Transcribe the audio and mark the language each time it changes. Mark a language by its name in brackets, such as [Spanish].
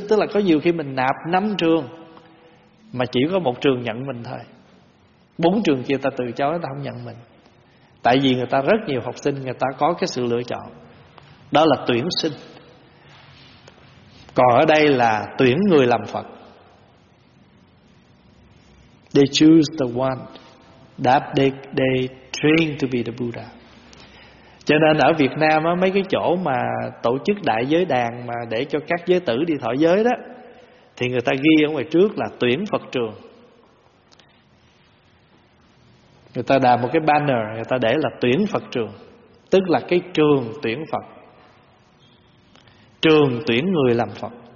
[Vietnamese] Tức là có nhiều khi mình nạp 5 trường mà chỉ có một trường nhận mình thôi, 4 trường kia ta từ chối, người ta không nhận mình. Tại vì người ta rất nhiều học sinh, người ta có cái sự lựa chọn. Đó là tuyển sinh. Còn ở đây là tuyển người làm Phật. [English] They choose the one that they train to be the Buddha. [Vietnamese] Cho nên ở Việt Nam á, mấy cái chỗ mà tổ chức đại giới đàn mà để cho các giới tử đi thọ giới đó, thì người ta ghi ở ngoài trước là tuyển Phật trường. Người ta đàm một cái banner, người ta để là tuyển Phật trường, tức là cái trường tuyển Phật, trường tuyển người làm Phật.